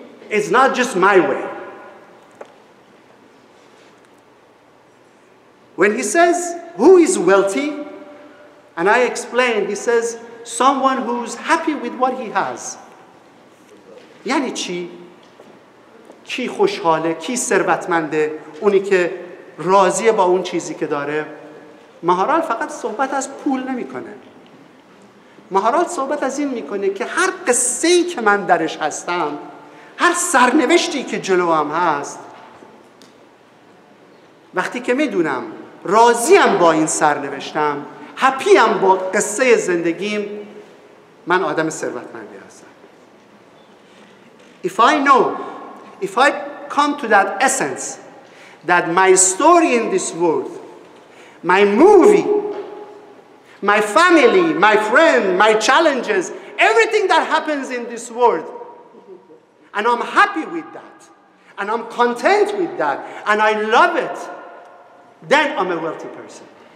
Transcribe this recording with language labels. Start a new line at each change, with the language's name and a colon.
English: It's not just my way. When he says, who is wealthy? And I explain, he says, someone who's happy with what he has.
Persian: یعنی چی؟ کی خوشحاله؟ کی ثروتمنده؟ اونی که راضیه با اون چیزی که داره؟ Maharal فقط صحبت از پول نمی کنه. Maharal صحبت از این میکنه که هر قصه‌ای که من درش هستم، هر سرنوشتی که جلوام هست، وقتی که میدونم راضیم با این سرنوشتم، هپیم با قصه زندگیم، من آدم ثروتمندی هستم.
English: If I know, if I come to that essence, that my story in this world, my movie, my family, my friend, my challenges, everything that happens in this world, and I'm happy with that, and I'm content with that, and I love it, then I'm a wealthy person.